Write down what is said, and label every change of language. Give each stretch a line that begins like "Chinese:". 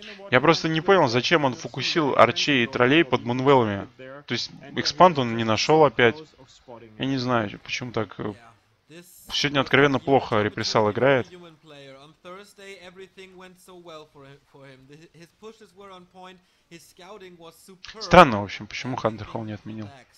Russian: Я просто не понял, зачем он фокусил арчей и троллей под мунвеллами. То есть экспанд он не нашел опять. Я не знаю, почему так. Сегодня откровенно плохо репрессал играет.
English: Thursday everything went so well for him. His pushes were on point. His scouting was superb.
Russian: Странно, в общем, почему Хантер Холл не отменил.